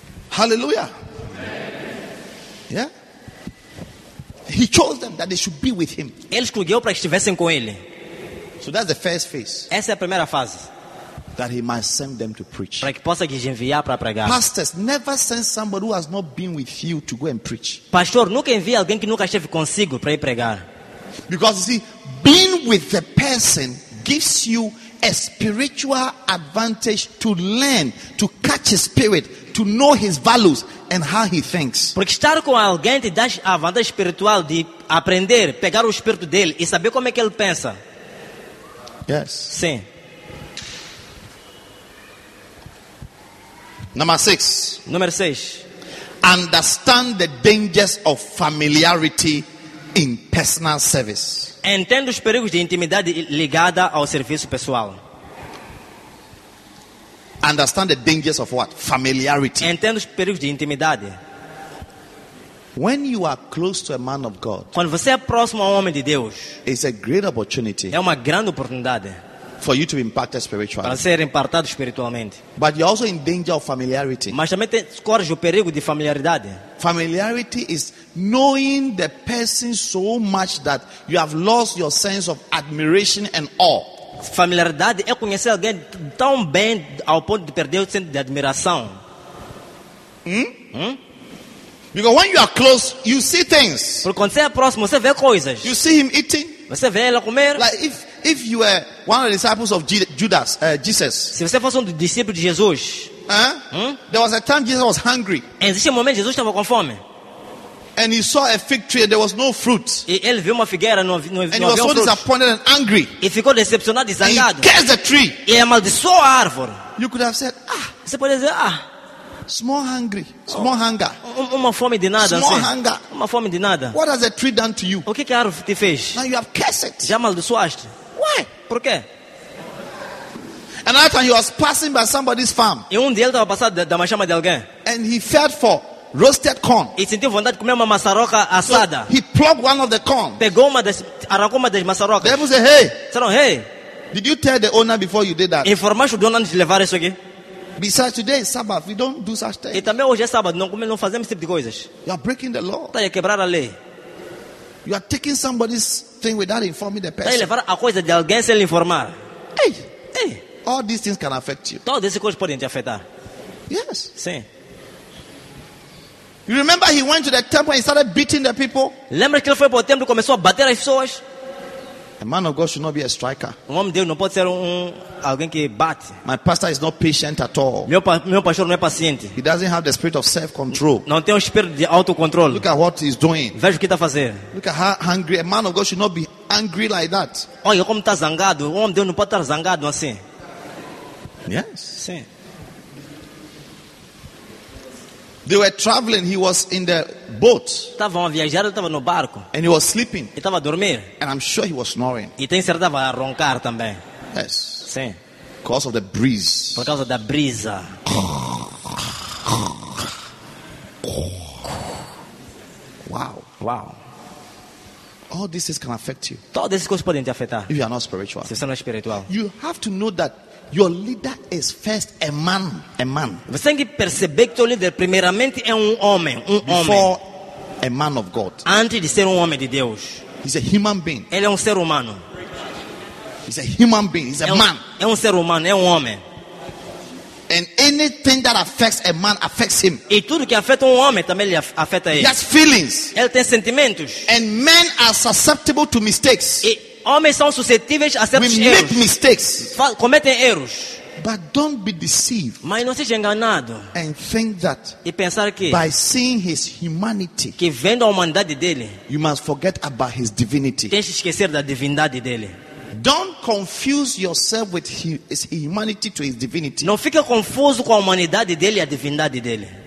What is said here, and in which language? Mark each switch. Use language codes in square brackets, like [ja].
[en] Hallelujah. Yeah. He chose them that they should be with him. [pt] Ele escolheu para que estivessem com ele. [en] So that's the first phase. [pt] Essa é a primeira fase. [en] That he might send them to preach. [pt] Para que possa lhes enviar para pregar. [en] Pastors, never send somebody who has not been with you to go and preach. [pt] Pastor, nunca envie alguém que nunca esteve consigo para ir pregar. [en] Because you see, being with the person gives you a spiritual advantage to learn, to catch his spirit, to know his values and how he thinks. [pt] Porque estar com alguém te dá a vantagem espiritual de aprender, pegar o espírito dele e saber como é que ele pensa. [en] Yes. [pt] Sim. [en] Number six. Understand the dangers of familiarity in personal service. [pt] Entendo os perigos de intimidade ligada ao serviço pessoal. [en] Understand the dangers of what? Familiarity. [pt] Entendo os perigos de intimidade. [en] When you are close to a man of God, [pt] quando você é próximo a um homem de Deus, [en] it's a great opportunity. [pt] É uma grande oportunidade. [en] For you to be impacted spiritually. [pt] Para ser impactado espiritualmente. [en] But you're also in danger of familiarity. [pt] Mas também corres o perigo de familiaridade. [en] Familiarity is knowing the person so much that you have lost your sense of admiration and awe. [pt] Familiaridade é conhecer alguém tão bem ao ponto de perder o senso de admiração. [en] Because when you are close, you see things. [pt] Porque quando você é próximo, você vê coisas. [en] You see him eating. [pt] Você vê ele comer. [en] Like if you were one of the disciples of Judas, Jesus. [pt] Se você fosse discípulo de Jesus. [en] There was a time Jesus was hungry. [pt] Existe momento Jesus estava com fome. [en] And he saw a fig tree and there was no fruit. [pt] E ele viu uma figueira não havia fruto. [en] And he was so disappointed and angry. [pt] E ficou decepcionado e zangado. [en] Cursed the tree. [pt] E amaldiçoou a árvore. [en] You could have said, ah. [pt] Você pode dizer, ah. [en] Small hungry, small hunger. [pt] Uma fome de nada. [en] Small [pt] assim. [en] Hunger. [pt] Uma fome de nada. [en] What has the tree done to you? [pt] O que a árvore te fez? [en] Now you have cursed it. [pt] Já amaldiçoaste. [en] Why? [pt] Por quê? [en] Another time he was passing by somebody's farm. [pt] E dia ele estava passando da chama de alguém. [en] And he felt for roasted corn. [pt] E sentiu vontade de comer uma maçaroca assada. [en] So he plucked one of the corn. [pt] Pegou uma das aracumas das maçarocas. [en] They said, hey. [pt] Disseram, hey. [en] Did you tell the owner before you did that? [pt] Informaste o dono antes de levar isso aqui? [en] Besides, today is Sabbath. We don't do such things. [pt] E também hoje é sábado. Não comemos, não fazemos esse tipo de coisas. [en] You are breaking the law. [pt] Está a quebrar a lei. [en] You are taking somebody's thing without informing the person. [pt] Está a levar a coisa de alguém sem lhe informar. Hey. Hey. [en] All these things can affect you. [pt] Todas essas coisas podem te afetar. [en] Yes. [pt] Sim. [en] You remember he went to the temple and started beating the people? [pt] Lembra que ele foi para o templo e começou a bater as pessoas? [en] A man of God should not be a striker. [pt] Um homem de Deus não pode ser alguém que bate. [en] My pastor is not patient at all. [pt] Meu pastor não é paciente. [en] He doesn't have the spirit of self-control. [pt] Não tem o espírito de autocontrole. [en] Look at what he's doing. [pt] Veja o que está a fazer. [en] Look at how hungry. A man of God should not be angry like that. [pt] Olha como está zangado. Um homem de Deus não pode estar zangado assim. [en] Yes. [pt] Sim. [en] They were traveling. He was in the boat. [pt] Estavam a viajar. Ele estava no barco. [en] And he was sleeping. [pt] Ele estava a dormir. [en] And I'm sure he was snoring. [pt] E tenho certeza que estava a roncar também. [en] Yes. [pt] Sim. [en] Because of the breeze. [pt] Por causa da brisa. [en] Wow. All these things can affect you. [pt] Todas essas coisas podem te afetar. [en] If you are not spiritual. [pt] Se você não é espiritual. [en] You have to know that. Your leader is first a man. A man. [pt] Você tem que perceber que o líder primeiramente é homem. [en] Before a man of God. [pt] Antes de ser homem de Deus. [en] He's a human being. [pt] Ele é ser humano. [en] He's a human being. He's a man. [pt] É ser humano. É homem. [en] And anything that affects a man affects him. [pt] E tudo que afeta homem também lhe afeta ele. [en] He has feelings. [pt] Ele tem sentimentos. [en] And men are susceptible to mistakes. [pt] Homens são suscetíveis a certos erros. [en] We make mistakes. [pt] Cometem erros. [en] But don't be deceived. [pt] Mas não seja enganado. [en] And think that. [pt] E pensar que. [en] By seeing his humanity. [pt] Que vendo a humanidade dele. [en] You must forget about his divinity. [pt] Tens que esquecer da divindade dele. [en] Don't confuse yourself with his humanity to his divinity. [pt] Não fique confuso com a humanidade dele e a divindade dele.